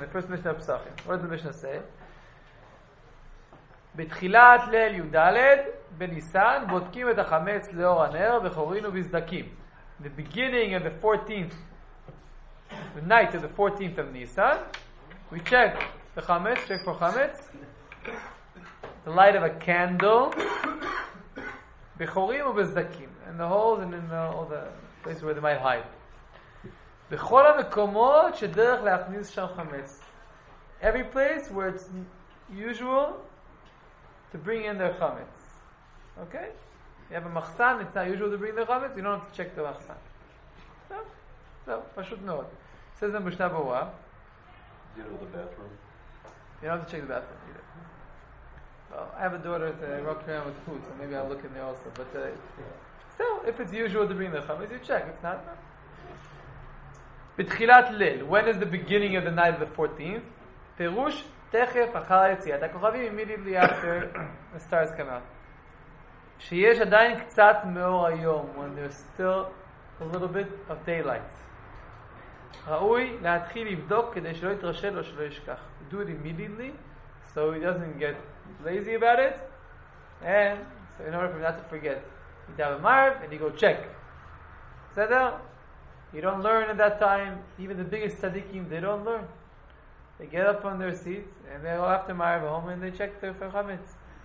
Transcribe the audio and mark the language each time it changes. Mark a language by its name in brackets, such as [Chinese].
[English] The first Mishnah of Pesachim. What does the Mishnah say? [Hebrew] בתחילת ליל י"ד בניסן בודקים את החמץ לאור הנר וחורין ובזדקים. [English] The beginning of the 14th, the night of the 14th of Nisan, we check the חמץ, check for חמץ, the light of a candle, [Hebrew] בחורין ובזדקים, [English] and the holes and in all the places where they might hide. [Hebrew] בכל המקומות שדרך להכניס שם חמץ. [English] Every place where it's usual to bring in their chametz. Okay? You have a machsan, it's not usual to bring their chametz, you don't have to check the machsan. So, pashut meod. Says in Mishnah Berurah, you know the bathroom? You don't have to check the bathroom either. Well, I have a daughter that walks around with food, so maybe I'll look in there also. But so, if it's usual to bring their chametz, you check. If not, B'tchilat Lil, when is the beginning of the night of the 14th? [Hebrew] Perush, תכף אחר היציאה. הכוכבים [English] immediately after the stars come out. [Hebrew] שיש עדיין קצת מאור היום, [English] when there's still a little bit of daylight. [Hebrew] ראוי להתחיל לבדוק כדי שלא יתרשל או שלא ישכח. [English] Do it immediately, so he doesn't get lazy about it. And so in order for him not to forget, you have a marv and you go check. בסדר? You don't learn at that time. Even the biggest tzaddikim, they don't learn. They get up on their seats and they go after Ma'ariv home and they check their chametz.